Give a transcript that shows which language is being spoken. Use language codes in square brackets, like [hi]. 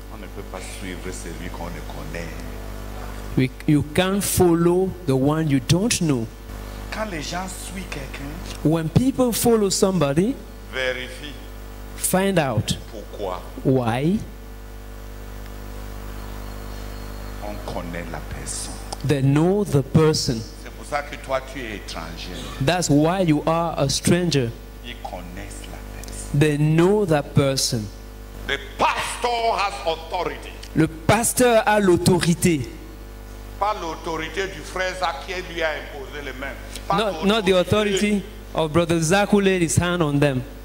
[fr] On ne peut pas suivre celui qu'on ne connaît. [en] You can't follow the one you don't know. [fr] Quand les gens suivent quelqu'un, [en] when people follow somebody, [fr] vérifie, [en] find out [fr] pourquoi, [en] why, [fr] on connaît la personne. [en] They know the person. [fr] C'est pour ça que toi, tu es étranger. [en] That's why you are a stranger. [fr] Ils connaissent la personne. [en] They know that person. The pastor has authority. [fr] Le pasteur a l'autorité. Pas l'autorité du frère Zach qui lui a imposé les mains. [en] Not the authority of Brother Zach who laid his hand on them.